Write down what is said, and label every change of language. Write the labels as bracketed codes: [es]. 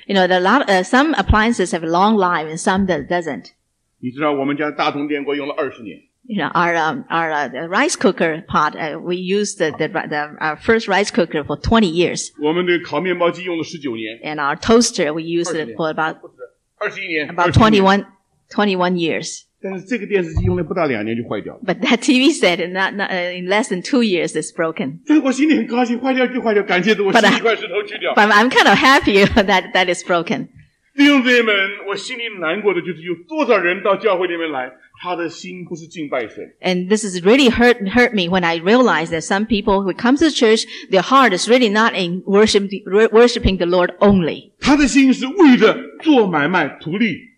[en] You know, some appliances have a long life and some that doesn't. [zh] 你知道我们家大同电锅用了20年。 [en] You know, our rice cooker pot, we used our first rice cooker for 20 years. [zh] 我们的烤面包机用了19年。 [en] And our toaster, we used it for about 21 years. [zh] 但是这个电视机用了不到两年就坏掉了。 [en] But that TV set in less than 2 years is broken. [zh] 但是我心里很高兴，坏掉就坏掉，感谢主，我心里一块石头去掉。 [en] But I'm kind of happy that is broken. [zh] 弟兄姐妹们，我心里难过的就是有多少人到教会里面来，他的心不是敬拜神。 [en] And this is really hurt me when I realized that some people who come to church, their heart is really not in worshiping the Lord only. [zh] 他的心是为了做买卖图利。